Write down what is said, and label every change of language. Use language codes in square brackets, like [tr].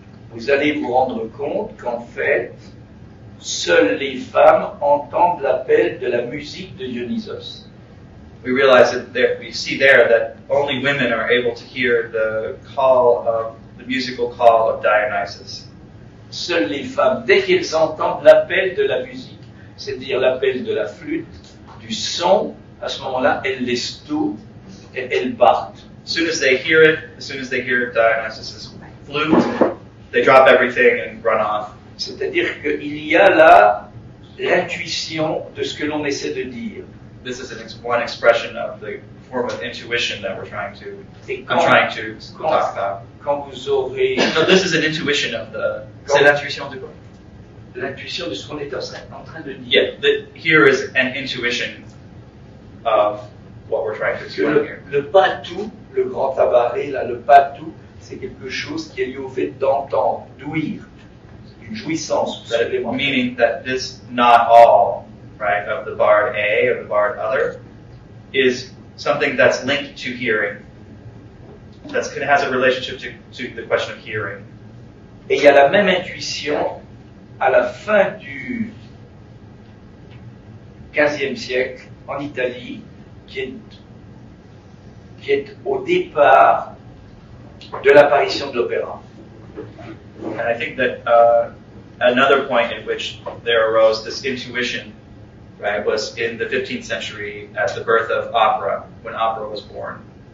[fr] vous allez vous rendre compte qu'en fait, seules les femmes entendent l'appel de la musique de Dionysos. [en] We realize that there, we see there that only women are able to hear the call of the musical call of Dionysus. [fr] Seules les femmes, dès qu'elles entendent l'appel de la musique, c'est-à-dire l'appel de la flûte, du son, à ce moment-là, elles laissent tout et elles partent. [en] As soon as they hear it, as soon as they hear Dionysus's flute, they drop everything and run off. [fr] C'est-à-dire qu'il y a là l'intuition de ce que l'on essaie de dire. [en] This is one expression of the form of intuition that we're trying to, talk about. [fr] Quand vous aurez... [en] No, this is an intuition of the... [fr] Quand c'est l'intuition de quoi? L'intuition de ce qu'on est en train de dire. [en] Yeah, here is an intuition of what we're trying to explain here. [fr] Le pas tout, le grand tabaré, là, le pas tout, c'est quelque chose qui est lié au fait d'entendre, d'ouïr. C'est une jouissance, vous avez vraiment. [en] Meaning that this not all, right, of the bard A, or the bard other, is something that's linked to hearing. That has a relationship to the question of hearing. [fr] Et il y a la même intuition à la fin du 15e siècle en Italie qui est au départ de l'apparition de l'opéra. [en] And I think that another point in which there arose this intuition, right, was in the 15th century at the birth of opera, when opera was born.